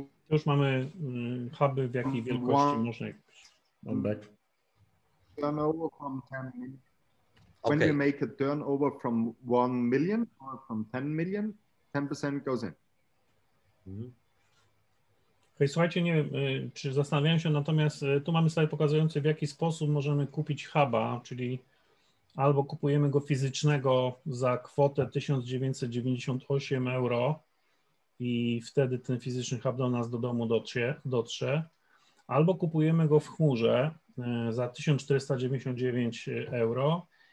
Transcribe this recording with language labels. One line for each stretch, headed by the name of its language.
Polish: już mamy huby, w jakiej wielkości można ich
English: back. Turnover from 10 million. When you make a turnover from 1 million or from 10 million, 10% goes in.
Polish: Okay, słuchajcie, nie wiem, czy zastanawiałem się, natomiast tu mamy slajd pokazujący, w jaki sposób możemy kupić huba, czyli albo kupujemy go fizycznego za kwotę 1998 euro i wtedy ten fizyczny hub do nas do domu dotrze, albo kupujemy go w chmurze za 1499 euro.